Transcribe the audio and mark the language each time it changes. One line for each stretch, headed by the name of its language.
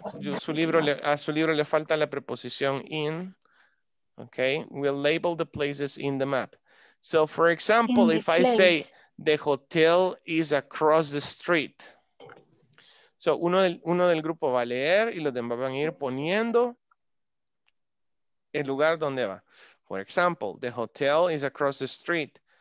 Spanish: A su libro le falta la preposición in.
English: Okay. We'll label the places in the map. So, for example, if I say the hotel is across the street.
Spanish: So, uno del grupo va a leer y los demás van a ir poniendo el lugar donde va.
English: For example, the hotel is across the street.